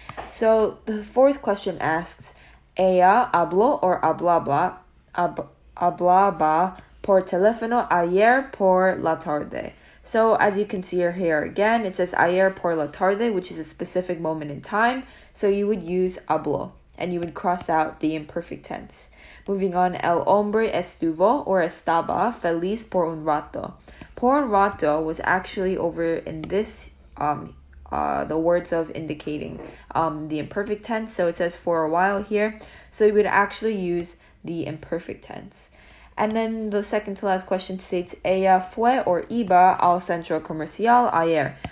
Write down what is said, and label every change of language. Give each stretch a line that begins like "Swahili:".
English: So the fourth question asks,
Spanish: ella habló or hablaba por teléfono ayer por la tarde.
English: So as you can see here again, it says
Spanish: ayer por la tarde,
English: which is a specific moment in time. So you would use habló, and you would cross out the imperfect tense. Moving on,
Spanish: el hombre estuvo or estaba feliz por un rato.
English: Por un rato was actually over in this, the words of indicating the imperfect tense. So it says for a while here. So you would actually use the imperfect tense. And then the second to last question states,
Spanish: ella fue or iba al centro comercial ayer.